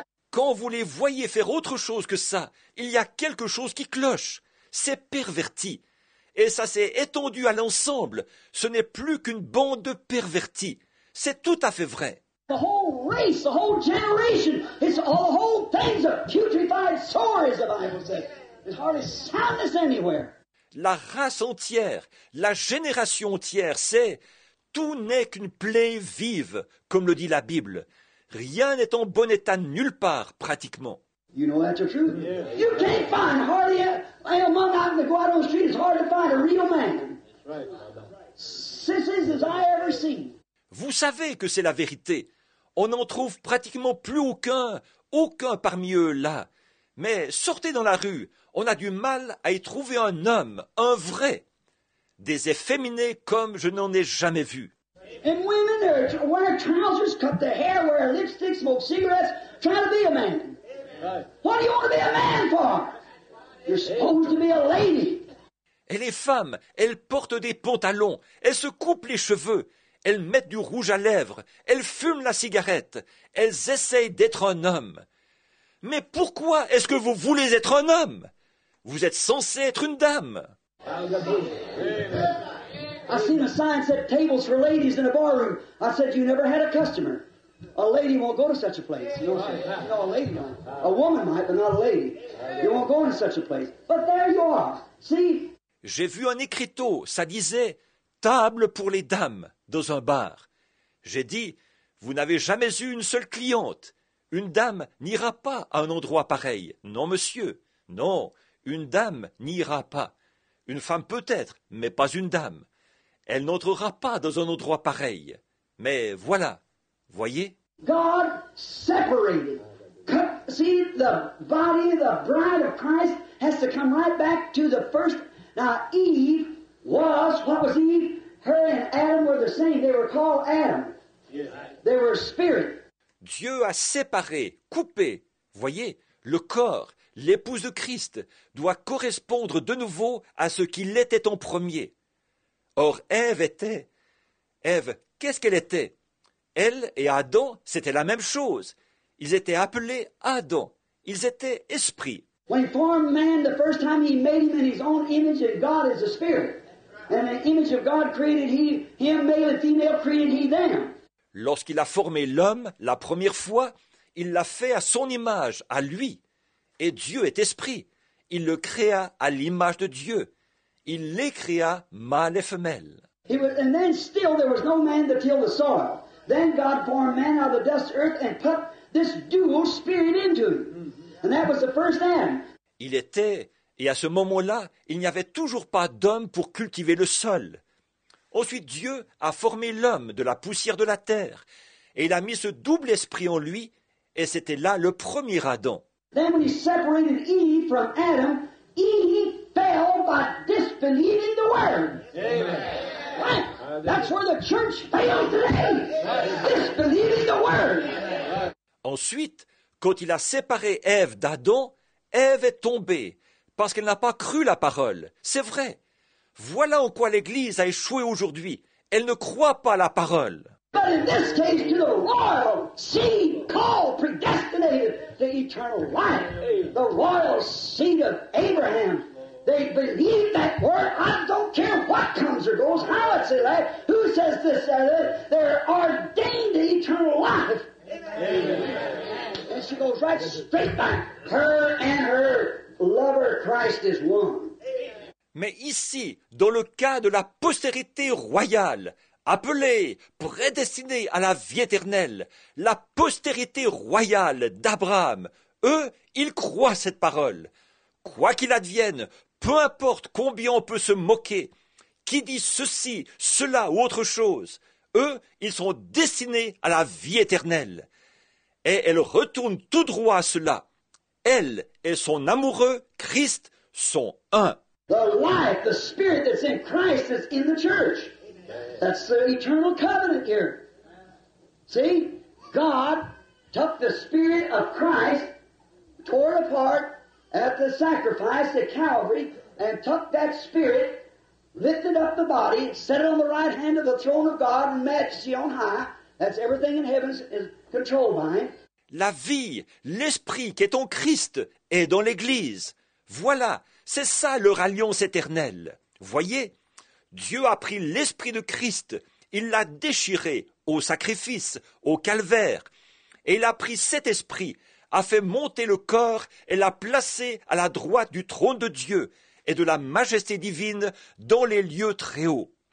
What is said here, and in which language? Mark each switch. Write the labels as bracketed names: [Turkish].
[French] Quand vous les voyez faire autre chose que ça, il y a quelque chose qui cloche. C'est perverti. Et ça s'est étendu à l'ensemble. Ce n'est plus qu'une bande de pervertis. C'est tout à fait vrai. [English] The whole race, the whole generation, it's all whole things of putrefied sores, the Bible says. There's hardly soundness anywhere. [French] La race entière, la génération entière, c'est... Tout n'est qu'une plaie vive, comme le dit la Bible. Rien n'est en bon état nulle part, pratiquement. [English] You know that's the truth. Yeah. You can't find hardly among out in the Guadalupe street, it's hard to find a real man. Right. Sissies as I ever seen. [French] Vous savez que c'est la vérité. On n'en trouve pratiquement plus aucun parmi eux là. Mais sortez dans la rue, on a du mal à y trouver un homme, un vrai. Des efféminés comme je n'en ai jamais vu. [English] And women wear trousers, cut their hair, wear lipstick, smoke cigarettes, try to be a man. Right. What do you want to be a man for? You're supposed to be a lady. [French] Et les femmes, elles portent des pantalons, elles se coupent les cheveux, elles mettent du rouge à lèvres, elles fument la cigarette, elles essayent d'être un homme. Mais pourquoi est-ce que vous voulez être un homme? Vous êtes censé être une dame. [English] I seen a sign that said tables for ladies in a bar room. I said you never had a customer. A lady won't go to such a place. You know, no, a lady might. A woman might, but not a lady. You won't go to such a place. But there you are. See? [French] J'ai vu un écriteau, ça disait table pour les dames dans un bar. J'ai dit vous n'avez jamais eu une seule cliente. Une dame n'ira pas à un endroit pareil. Non monsieur. Non, une dame n'ira pas. Une femme peut-être, mais pas une dame. Elle n'entrera pas dans un endroit pareil. Mais voilà, voyez. [English] God separated. See, the body, the bride of Christ, has to come right back to the first. Now, Eve was, what was Eve? Her and Adam were the same. They were called Adam. They were spirit. [French] Dieu a séparé, coupé, voyez, le corps. L'épouse de Christ doit correspondre de nouveau à ce qu'il était en premier. Or, Ève, qu'est-ce qu'elle était? Elle et Adam, c'était la même chose. Ils étaient appelés Adam. Ils étaient esprit. [English] When he formed man, the first time he made him in his own image, and God is a spirit. And the image of God created he, him, male and female, created he them. [French] Lorsqu'il a formé l'homme, la première fois, il l'a fait à son image, à lui. Et Dieu est esprit. il le créa à l'image de Dieu. Il les créa mâle et femelle. [English] He was, and then still there was no man to till the soil. Then God formed man out of the dust of earth and put this dual spirit into him. And that was the first Adam. [French] Il était, et à ce moment-là, il n'y avait toujours pas d'homme pour cultiver le sol. Ensuite, Dieu a formé l'homme de la poussière de la terre, et il a mis ce double esprit en lui, et c'était là le premier Adam. [English] Then when he separated Eve from Adam, Eve fell by disbelieving the word. Amen. Right? That's where the church failed today. Disbelieving the word. [French] Ensuite, quand il a séparé Ève d'Adam, Ève est tombée parce qu'elle n'a pas cru la parole. C'est vrai. Voilà en quoi l'Église a échoué aujourd'hui. Elle ne croit pas la parole. [English] But in this case, to the royal seed called predestinated to eternal life, the royal seed of Abraham, they believe that word. I don't care what comes or goes, how it's alive, who says this, that they're ordained to eternal life. Amen. And she goes right straight back. Her and her lover Christ is one. [French] Mais ici, dans le cas de la postérité royale, appelée, prédestinée à la vie éternelle, la postérité royale d'Abraham, eux, ils croient cette parole. Quoi qu'il advienne, peu importe combien on peut se moquer, qui dit ceci, cela ou autre chose, eux, ils sont destinés à la vie éternelle. Et elle retourne tout droit à cela. Elle et son amoureux, Christ, sont un. [English] The life, the spirit that's in Christ is in the church. That's the eternal covenant here. See? God took the spirit of Christ, tore it apart at the sacrifice at Calvary, and took that spirit, lifted up the body, set it on the right hand of the throne of God and majesty on high. That's everything in heaven is controlled by him. [French] La vie, l'esprit qui est en Christ est dans l'Église. Voilà. C'est ça leur alliance éternelle. Voyez, Dieu a pris l'esprit de Christ, il l'a déchiré au sacrifice, au calvaire, et il a pris cet esprit, a fait monter le corps et l'a placé à la droite du trône de Dieu et de la majesté divine dans les lieux très hauts.